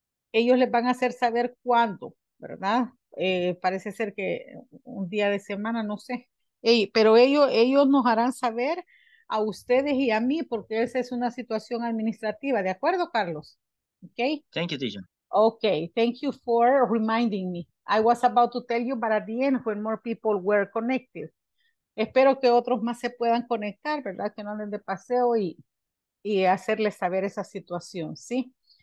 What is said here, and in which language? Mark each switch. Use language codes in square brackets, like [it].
[es] Ellos les van a hacer saber cuándo, ¿verdad? Parece ser que un día de semana, no sé. Pero ellos nos harán saber a ustedes y a mí, porque esa es una situación administrativa, ¿de acuerdo, Carlos? [en] Okay. Thank you, teacher. Okay. Thank you for reminding me. I was about to tell you, but at the end, when more people were connected. [es] Espero que otros más se puedan conectar, ¿verdad? Que no anden de paseo y hacerles saber esa situación, ¿sí?